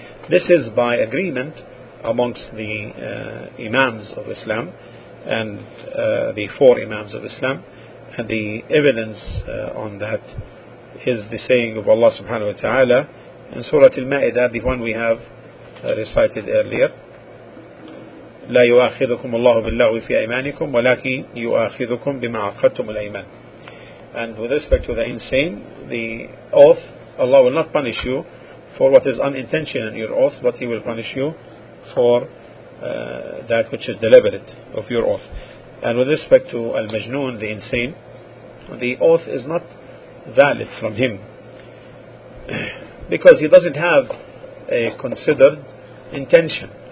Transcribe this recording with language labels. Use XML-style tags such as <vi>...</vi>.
<en>This is by agreement amongst the imams of Islam and the four imams of Islam, and the evidence on that is the saying of Allah subhanahu wa ta'ala in Surah Al-Ma'idah, the one we have recited earlier.</en> <ar>لا يؤاخذكم الله باللغو في أيمانكم ولكن يؤاخذكم بما عقدتم الأيمان.</ar> <en>And with respect to the insane, the oath, Allah will not punish you for what is unintentional in your oath, but He will punish you for that which is deliberate of your oath. And with respect to al-majnoon, the insane, the oath is not valid from him because he doesn't have a considered intention.</en>